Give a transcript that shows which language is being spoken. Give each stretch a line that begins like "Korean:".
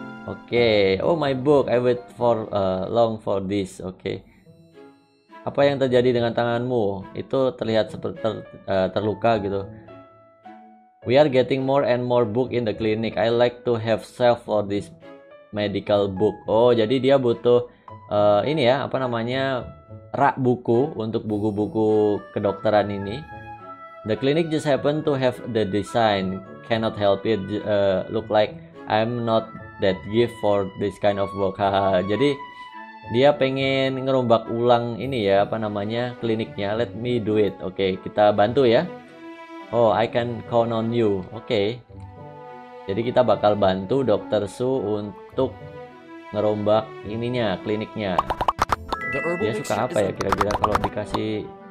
English: Oke, oh my book, I wait for long for this. Oke.
Indonesian: Apa yang terjadi dengan tanganmu? Itu terlihat seperti terluka gitu.
English: We are getting more and more book in the clinic. I like to have shelf for this medical book.
Indonesian: Oh, jadi dia butuh ini ya, apa namanya, rak buku untuk buku-buku kedokteran ini.
English: The clinic just happened to have the design. Cannot help it. Look like I'm not that gift for this kind of work.
Indonesian: Jadi dia pengen ngerombak ulang ini ya, apa namanya, kliniknya.
English: Let me do it.
Indonesian: Oke, kita bantu ya.
English: Oh, I can count on you.
Indonesian: Oke, jadi kita bakal bantu Dr. Su untuk ngerombak ininya, kliniknya. Dia suka apa ya kira-kira kalau dikasih